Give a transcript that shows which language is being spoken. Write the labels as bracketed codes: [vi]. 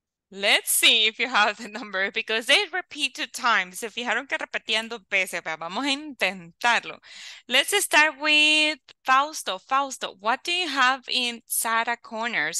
[en] Let's see if you have the number, because they repeat two times. [es] Se fijaron que repitiendo veces, pero vamos a intentarlo. [en] Let's start with Fausto. Fausto, what do you have in Sara Corners?